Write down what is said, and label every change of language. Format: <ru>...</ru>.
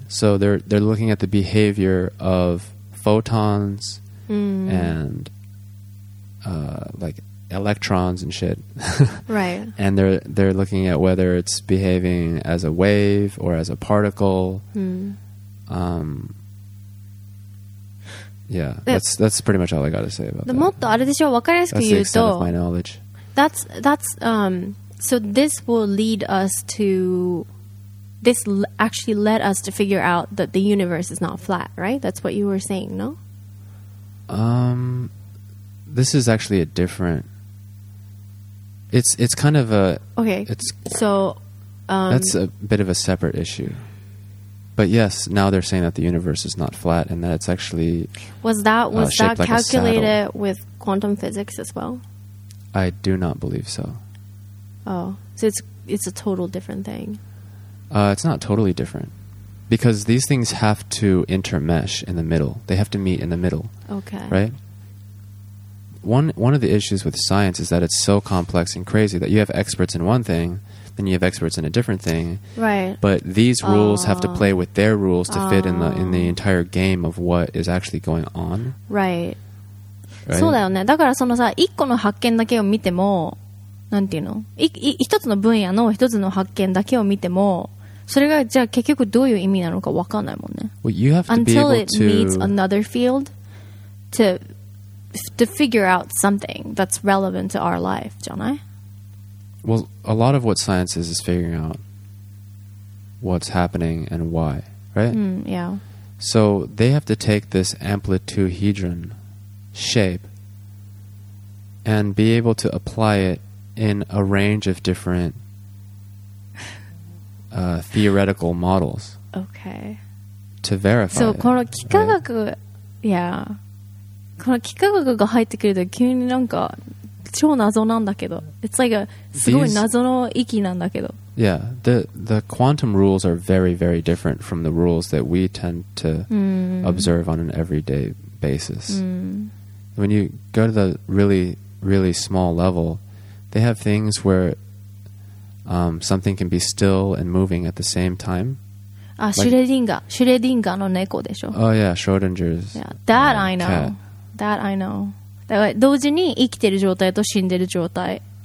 <en>So they're looking at the behavior of photons and like electrons and shit. Right. And they're looking at whether it's behaving as a wave or as a particle. Yeah, that's pretty much all I got to say about that.</en> <ja>もっとあれでしょ、分かりやすく言うと、</ja> <en>that's the extent of my knowledge. So this will lead us to, this actually led us to figure out that the universe is not flat, right? That's what you were saying, no? This is actually a different... It's kind of a... Okay, it's, so... That's a bit of a separate issue. But yes, now they're saying that the universe is not flat and that it's actually Was that calculated like with quantum physics as well? I do not believe so. Oh, so it's a total different thing. It's not totally different. Because these things have to intermesh in the middle. They have to meet in the middle. Okay. Right? One of the issues with science is that it's so complex and crazy that you have experts in one thing, then you have experts in a different thing. Right. But these rules have to play with their rules to fit in the entire game of what is actually going on. Right. Right?</en> <ja>そうだよね。だからそのさ、一個の発見だけを見ても、なんていうの？一つの分野の一つの発見だけを見ても、それがじゃあ結局どういう意味なのかわかんないもんね。</ja> <en>Well, you have to be able to... Until it meets another field to figure out something that's relevant to our life, don't I? Well, a lot of what science is figuring out what's happening and why, right? Yeah. So they have to take this amplituhedron shape and be able to apply it in a range of different theoretical models. Okay. To verify.</en> <ja>So, この幾何学、</ja> <en>right? Yeah.</en> <ja>この幾何学が入ってくると急になんか超謎なんだけど、</ja> <en>It's like a</en> <ja>すごい謎の域なんだけど、</ja> <en>Yeah, the quantum rules are very very different from the rules that we tend to observe on an everyday basis. When you go to the really really small level, they have things where something can be still and moving at the same time.</en> <ja>あ、シュレディンガ、シュレディンガの猫でしょ。</ja> <en>Oh yeah, Schrodinger's that I know. That I know.</en> <ja>だから同時に生きてる状態と死んでる状態、</ja>